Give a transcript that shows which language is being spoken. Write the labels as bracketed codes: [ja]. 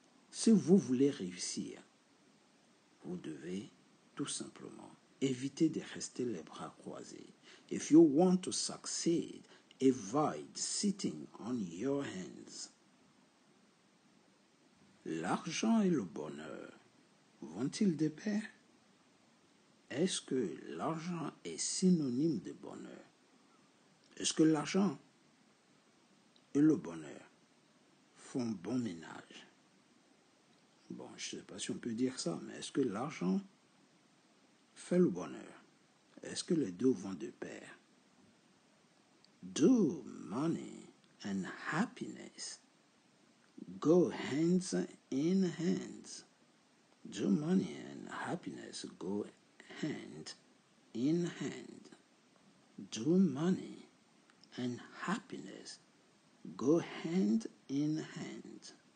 [fr] Si vous voulez réussir, vous devez tout simplement évitez de rester les bras croisés. [en] If you want to succeed, avoid sitting on your hands. [fr] L'argent et le bonheur vont-ils de pair? Est-ce que l'argent est synonyme de bonheur? Est-ce que l'argent et le bonheur font bon ménage? Bon, je ne sais pas si on peut dire ça, mais est-ce que l'argent fait le bonheur. Est-ce que les deux vont de pair? [en] Do money and happiness go hands in hands? Do money and happiness go hand in hand? Do money and happiness go hand in hand?